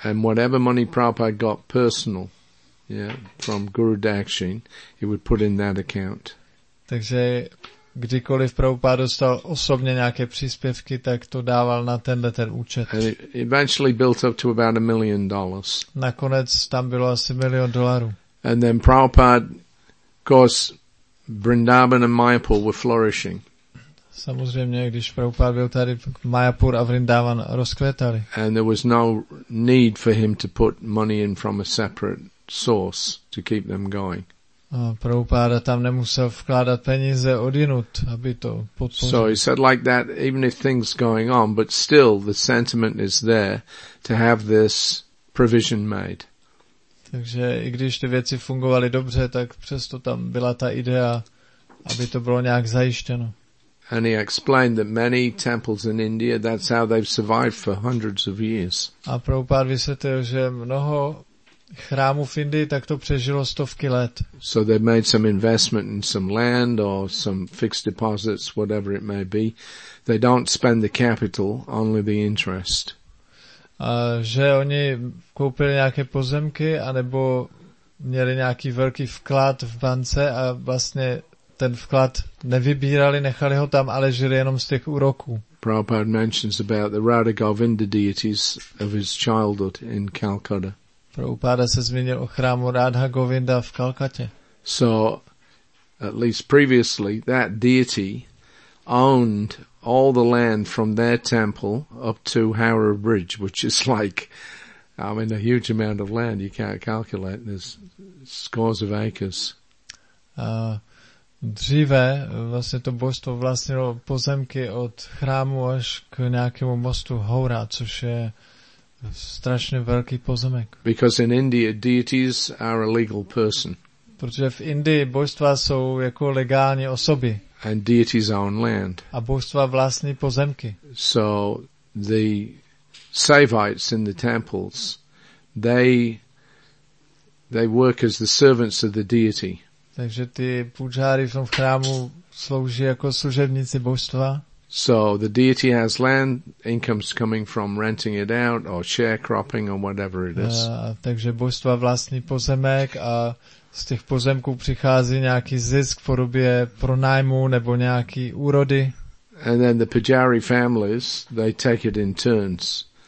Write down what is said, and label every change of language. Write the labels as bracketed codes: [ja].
[en] And whatever money Prabhupada got personal, yeah, from Guru Dakshin, he would put in that account. [cs] Takže kdykoliv Prabhupada dostal osobně nějaké příspěvky, tak to dával na tenhle ten účet. [en] And eventually built up to about $1 million. [cs] Nakonec tam bylo asi $1 million. [en] And then Prabhupada, of course, Vrindavan and Mayapur were flourishing. [cs] Samozřejmě, když Prabhupada byl tady, Mayapur a Vrindavan rozkvětali. [en] And there was no need for him to put money in from a separate source to keep them going. [cs] A Prabhupada tam nemusel vkládat peníze odinut, aby to podpořil. [en] So he said like that, even if things going on, but still the sentiment is there to have this provision made. [cs] Takže i když ty věci fungovaly dobře, tak přesto tam byla ta idea, aby to bylo nějak zajištěno. [en] And he explained that many temples in India, that's how they've survived for hundreds of years. [cs] A Prabhupada vysvětlil, že mnoho chrámů v Indii tak to přežilo stovky let. [en] So they made some investment in some land or some fixed deposits, whatever it may be. They don't spend the capital, only the interest. [cs] Že oni koupili nějaké pozemky, anebo měli nějaký velký vklad v bance a vlastně ten vklad nevybírali, nechali ho tam, ale žili jenom z těch úroků. [en] Prabhupada mentions about the Radha Govinda deities of his childhood in Calcutta. [cs] Prabhupada se zmínil o chrámu Radha Govinda v Kalkatě. [en] So, at least previously, that deity owned all the land from their temple up to Howrah Bridge, which is like, I mean, a huge amount of land. You can't calculate. There's scores of acres. [cs] Dříve vlastně to božstvo vlastnilo pozemky od chrámu až k nějakému mostu Howrah, což je strašně velký pozemek. [en] Because in India, deities are a legal person. [cs] Protože v Indii božstva jsou jako legální osoby. [en] And deities own land. [cs] A božstva vlastní pozemky. [en] So the Saivites in the temples, they work as the servants of the deity. [cs] Takže ty pujáři v tom chrámu slouží jako služebníci božstva. [en] So the deity has land, income's coming from renting it out or sharecropping or whatever it is. [cs] Takže božstva vlastní pozemek a z těch pozemků přichází nějaký zisk v podobě pronájmu nebo nějaký úrody. [en] And then the pujari families, they take it in turns.